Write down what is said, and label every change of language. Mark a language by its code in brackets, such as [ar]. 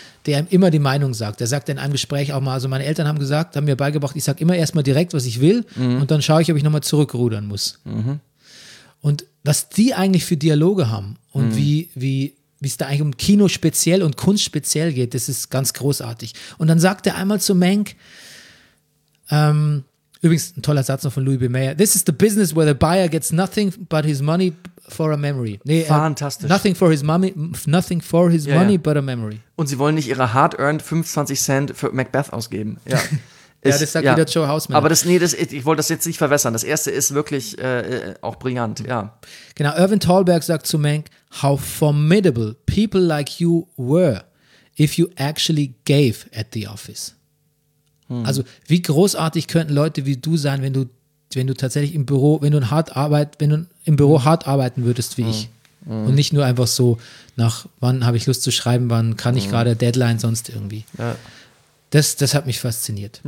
[de] Der ihm immer die Meinung sagt. Der sagt in einem Gespräch auch mal, also meine Eltern haben gesagt, haben mir beigebracht, ich sage immer erstmal direkt, was ich will und dann schaue ich, ob ich nochmal zurückrudern muss. Mhm. Und was die eigentlich für Dialoge haben und wie es da eigentlich um Kino speziell und Kunst speziell geht, das ist ganz großartig. Und dann sagt er einmal zu Mank, übrigens ein toller Satz noch von Louis B. [en] Mayer, this is the business where the buyer gets nothing but his money for a memory. [de] Nee, fantastisch. [en] Nothing for his money but a memory. [de] Und sie wollen nicht ihre hard-earned 25 Cent für Macbeth ausgeben. Ja, das sagt wieder Joe Hausman. Aber ich wollte das jetzt nicht verwässern. Das erste ist wirklich auch brillant, ja. Genau, Irvin Tolberg sagt zu Mank, [en] how formidable people like you were if you actually gave at the office. [de] Also, wie großartig könnten Leute wie du sein, wenn du im Büro hart arbeiten würdest wie ich. Und nicht nur einfach so, nach wann habe ich Lust zu schreiben, wann kann ich gerade Deadline sonst irgendwie. Ja. Das hat mich fasziniert.